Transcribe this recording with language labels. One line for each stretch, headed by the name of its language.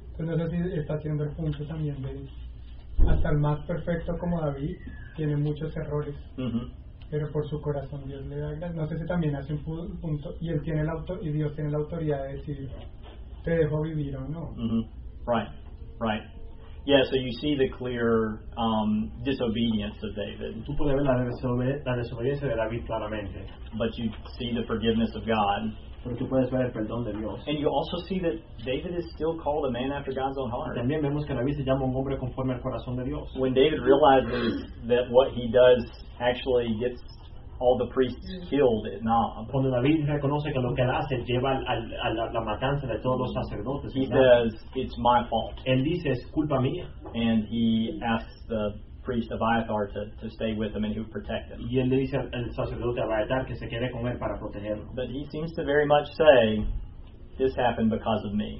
Spanish: Entonces, no sé si está haciendo el punto también de hasta el más perfecto como David, tiene muchos errores, uh-huh. pero por su corazón Dios le da gracia. No sé si también hace un punto, y él tiene y Dios tiene la autoridad de decir, te dejo vivir o no.
English: Uh-huh. Right. Yeah, so you see the clear disobedience of David.
Spanish: Tú puedes ver la desobediencia de David claramente.
English: But you see the forgiveness of God.
Spanish: Pero tú puedes ver el perdón de Dios.
English: And you also see that David is still called a man after God's own heart.
Spanish: También vemos que David se llama un hombre conforme al corazón de Dios.
English: When David realizes that what he does actually gets all the priests killed at Nob.
Spanish: Cuando David reconoce que lo que hace lleva a la matanza de todos los sacerdotes.
English: He says, it's my fault.
Spanish: Él dice, es culpa mía.
English: And he asks the priest Abiathar to stay with him and who protect him.
Spanish: Y él le dice al sacerdote Abiathar que se quede con él para protegerlo.
English: But he seems to very much say, this happened because of me.